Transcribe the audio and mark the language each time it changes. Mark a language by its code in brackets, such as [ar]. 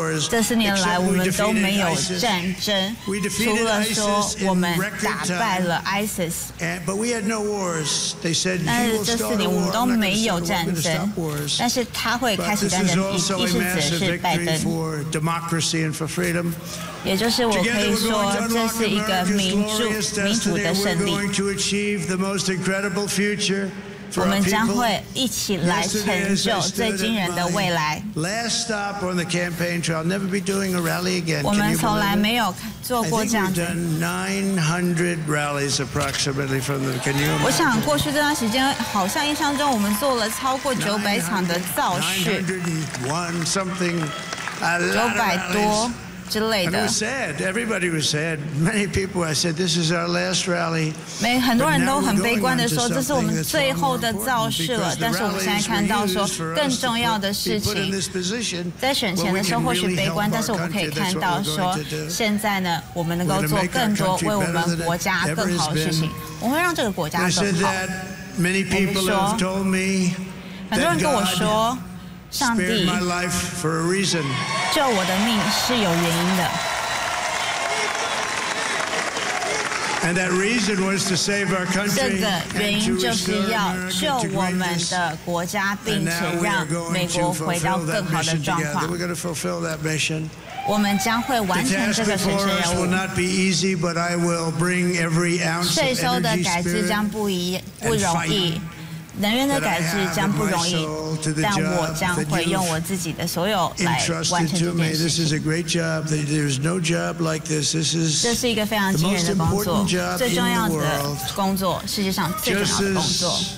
[zh] 这四年来我们都没有战争，除了说我们打败了 ISIS。 [en] But we had no wars. They said we will start a war. But this is also a massive victory for democracy and for freedom. [zh] 也就是我可以说，这是一个民主的胜利。 [en] We're going to achieve the most incredible future for our people. [zh] 我们将会一起来成就最惊人的未来。 [en] Last stop on the campaign trail. Never be doing a rally again. [zh] 我们从来没有。我想过去这段时间，好像印象中我们做了超过900场的造势，900多之类的。 [en] Everybody was sad. Many people, I said, this is our last rally. [zh] 很多人都很悲观的说，这是我们最后的造势了。但是我们现在看到说，更重要的事情，在选前的时候或许悲观，但是我们可以看到说，现在呢，我们能够做更多为我们国家更好的事情。我们会让这个国家更好。我们说，很多人跟我说。 [en] Spared my life for a reason. [zh] 救我的命是有原因的。 [en] And that reason was to save our country. [zh] 这个原因就是要救我们的国家，并且让美国回到更好的状况。 [en] We're going to fulfill that mission. [zh] 我们将会完成这个神圣任务。 [en] The task before us will not be easy, but I will bring every ounce of energy, spirit, and fight. [zh] 税收的改制将不容易。能源的改制将不容易，但我将会用我自己的所有来完成这件事情。这是一个非常惊人的工作，最重要的工作，世界上最重要的工作。